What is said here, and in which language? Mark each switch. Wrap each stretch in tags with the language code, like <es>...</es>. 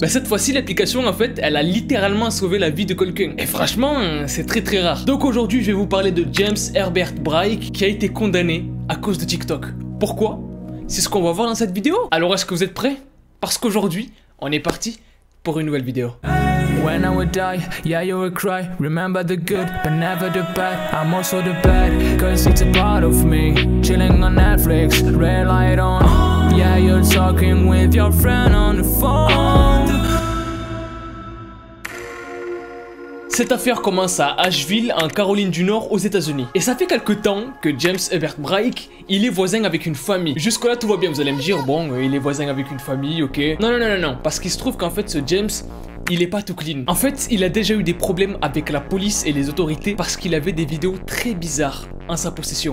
<fr>Mais cette fois-ci, l'application en fait, elle a littéralement sauvé la vie de quelqu'un. Et franchement, c'est très très rare. Donc aujourd'hui, je vais vous parler de James Herbert Brake qui a été condamné à cause de TikTok. Pourquoi? C'est ce qu'on va voir dans cette vidéo. Alors est-ce que vous êtes prêts? Parce qu'aujourd'hui, on est parti pour une nouvelle vidéo.</fr> <en>When I would die, yeah you would cry. Remember the good, but never the bad. I'm also the bad, cause it's a part of me. Chilling on Netflix, red light on. Yeah you're talking with your friend on the phone.</en> <fr>Cette affaire commence à Asheville, en Caroline du Nord, aux États-Unis. Et ça fait quelques temps que James Herbert Brake, il est voisin avec une famille. Jusque-là, tout va bien, vous allez me dire, bon, il est voisin avec une famille, ok. Non, non, non, non, non. Parce qu'il se trouve qu'en fait, ce James, il est pas tout clean. En fait, il a déjà eu des problèmes avec la police et les autorités parce qu'il avait des vidéos très bizarres en sa possession.</fr>